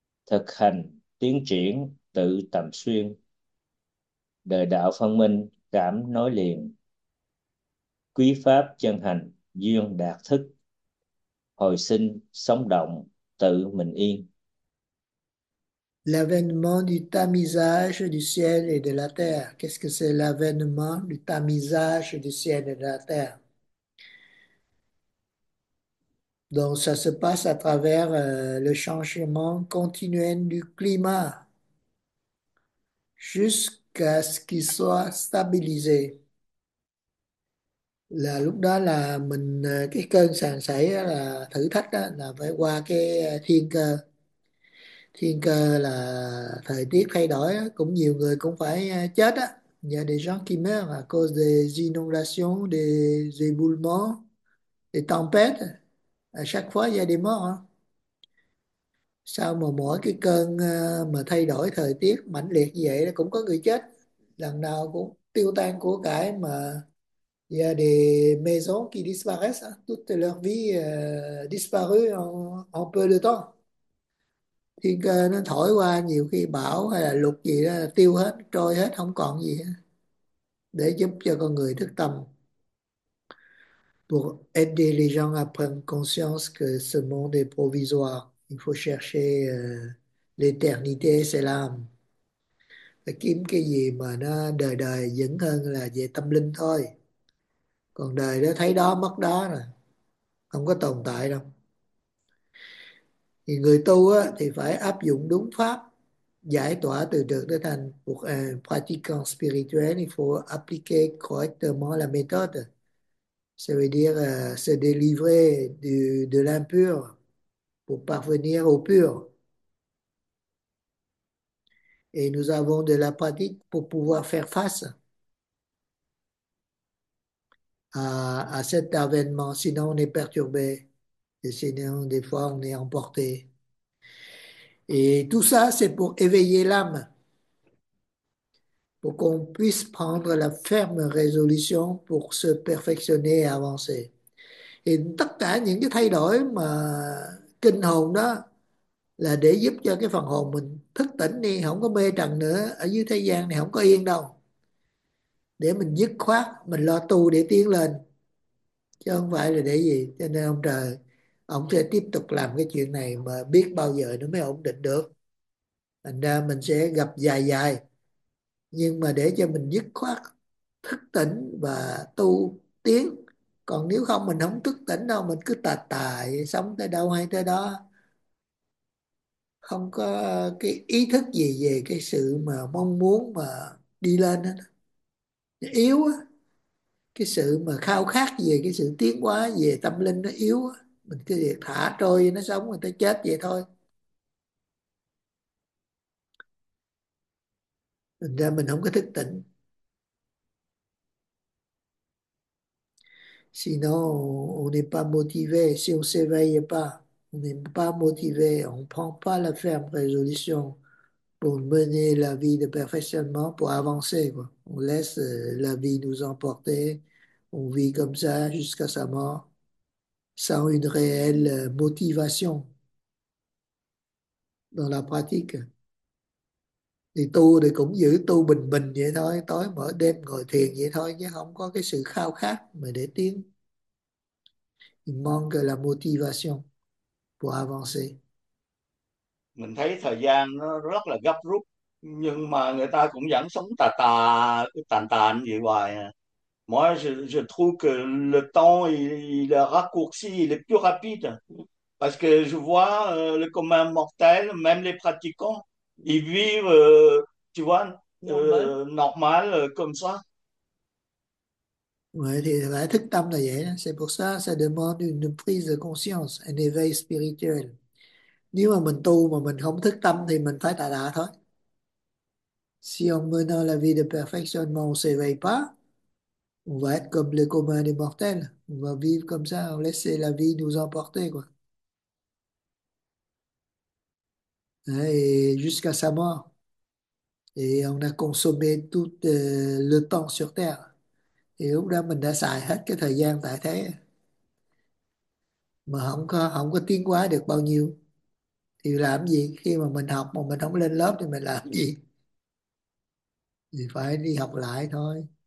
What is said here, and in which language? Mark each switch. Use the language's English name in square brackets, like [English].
[Vietnamese] Thực hành tiến triển tự tầm xuyên, đời đạo phân minh cảm nói liền, quý pháp chân hành duyên đạt thức, hồi sinh sống động tự mình yên. [French] L'avènement du tamisage du ciel et de la terre. Qu'est-ce que c'est l'avènement du tamisage du ciel et de la terre? Donc, ça se passe à travers le changement continuel du climat jusqu'à ce qu'il soit stabilisé. [Vietnamese] Là lúc đó là mình, cái cơn sàn sảy là thử thách đó, là phải qua cái thiên cơ. Thiên cơ là thời tiết thay đổi, cũng nhiều người cũng phải chết á, nhờ [French] des gens qui meurent à cause des inondations, des éboulements, des tempêtes. À chaque fois il y a des morts. [Vietnamese] Sao mà mỗi cái cơn mà thay đổi thời tiết mãnh liệt như vậy cũng có người chết, lần nào cũng tiêu tan của cải, mà [French] il y a des maisons qui disparaissent, toute leur vie disparue en peu de temps. [Vietnamese] Thiên cơ nó thổi qua, nhiều khi bão hay là lụt gì đó tiêu hết, trôi hết, không còn gì hết, để giúp cho con người thức tâm. [French] Pour aider les gens à prendre conscience que ce monde est provisoire, il faut chercher l'éternité, c'est l'âme. [Vietnamese] Phải kiếm cái gì mà nó đời đời vững hơn là về tâm linh thôi. Còn đời nó thấy đó mất đó rồi, không có tồn tại đâu. Thì người tu á, thì phải áp dụng đúng pháp, giải tỏa từ trường tới thành, một [French] pratiquant spirituel il faut appliquer correctement la méthode. Ça veut dire se délivrer de l'impur pour parvenir au pur. Et nous avons de la pratique pour pouvoir faire face à cet avènement, sinon on est perturbé, et sinon des fois on est emporté. Et tout ça, c'est pour éveiller l'âme, pour qu'on puisse prendre la ferme résolution pour se perfectionner et avancer. Et [Vietnamese] tất cả những cái thay đổi mà kinh hồn đó là để giúp cho cái phần hồn mình thức tỉnh đi, không có mê trần nữa, ở dưới thế gian này không có yên đâu. Để mình dứt khoát, mình lo tu để tiến lên. Chứ không phải là để gì. Cho nên ông trời, ông sẽ tiếp tục làm cái chuyện này mà biết bao giờ nó mới ổn định được. Thành ra mình sẽ gặp dài dài. Nhưng mà để cho mình dứt khoát, thức tỉnh và tu tiến. Còn nếu không mình không thức tỉnh đâu, mình cứ tà tà, sống tới đâu hay tới đó. Không có cái ý thức gì về cái sự mà mong muốn mà đi lên hết. Yếu á, cái sự mà khao khát về cái sự tiến hóa về tâm linh nó yếu á, mình cứ việc thả trôi nó sống rồi tới chết vậy thôi. Thành ra mình không có thức tỉnh. [French] Sinon, on n'est pas motivé. Si on s'éveille pas, on n'est pas motivé. On prend pas la ferme résolution pour mener la vie de perfectionnement, pour avancer, quoi. On laisse la vie nous emporter. On vit comme ça jusqu'à sa mort, sans une réelle motivation dans la pratique. [Vietnamese] Thì tu thì cũng giữ tu bình bình vậy thôi, tối mở đêm ngồi thiền vậy thôi, chứ không có cái sự khao khát mà để tiến. [French] Il manque la motivation pour avancer. [Vietnamese] Mình thấy thời gian nó rất là gấp rút nhưng mà người ta cũng vẫn sống tà tà tàn tàn vậy hoài à. [French] Moi je trouve que le temps il est raccourci, il est plus rapide parce que je vois le commun mortel, même les pratiquants, ils vivent tu vois Normal. normal comme ça. Ouais, [Vietnamese] thì phải thức tâm là vậy. [French] C'est pour ça, ça demande une prise de conscience, un éveil spirituel. [Vietnamese] Nếu mà mình tu mà mình không thức tâm thì mình phải tà đà thôi. [French] Si on mène la vie de perfectionnement, on ne s'éveille pas. On va être comme le commun des mortels. On va vivre comme ça, on laisse la vie nous emporter, quoi. Et jusqu'à sa mort. Et on a consommé tout le temps sur Terre. Et [Vietnamese] lúc đó mình đã xài hết cái thời gian tại thế. Mà không có tiến hóa được bao nhiêu. Thì làm gì khi mà mình học mà mình không lên lớp thì mình làm gì? Thì phải đi học lại thôi.